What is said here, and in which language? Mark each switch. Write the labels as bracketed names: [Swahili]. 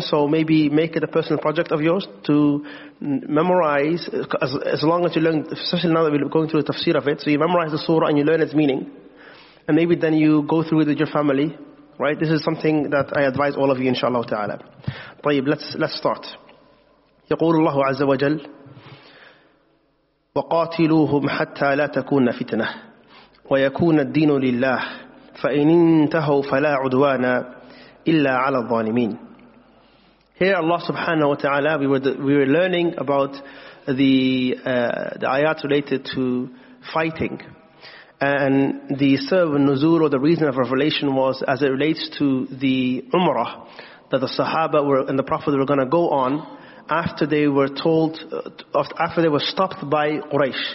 [English] So maybe make it a personal project of yours to memorize, as long as you learn, especially now that we're going through the tafsir of it. So you memorize the surah and you learn its meaning. And maybe then you go through it with your family, right? This is something that I advise all of you, inshallah ta'ala. طيب, let's start. [Arabic] يقول الله عز وجل وقاتلوهم حتى لا تكون فتنة ويكون الدين لله فإن انتهوا فلا عدوان إلا على الظالمين. [English] Here Allah subhanahu wa ta'ala, we were learning about the ayat related to fighting. And the sabab al-nuzul, or the reason of revelation, was as it relates to the umrah that the sahaba were and the prophet were going to go on after they were told, after they were stopped by Quraysh.